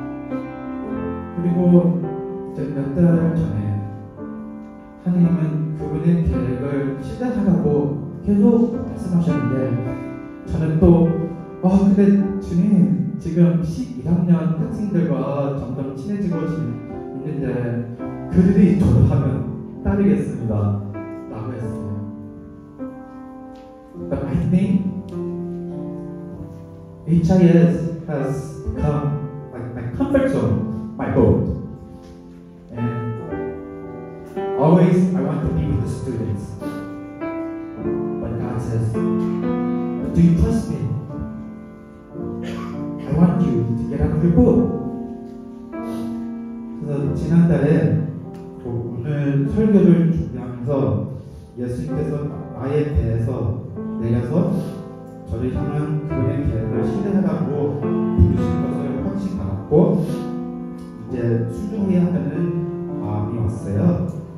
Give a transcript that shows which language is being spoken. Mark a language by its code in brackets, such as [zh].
[ko] 그리고 몇 달 전에 하나님은 그분의 계획을 실현하라고 계속 말씀하셨는데 저는 또 근데 주님 지금 12학년 학생들과 점점 친해지고 있는데 그들이 졸업하면 따르겠습니다 라고 했어요. [en] But I think HIS has become like my comfort zone, my boat. And always I want to be with the students. But God says, do you trust me? I want you to get out of your boat. [ko] 그래서 지난달에 설교를 준비하면서 예수님께서 나에 대해서 내려서 저를 향한 그분의 계획을 실현하라고 부르신 것을 확신 받았고 이제 순종해야 하는 마음이 왔어요.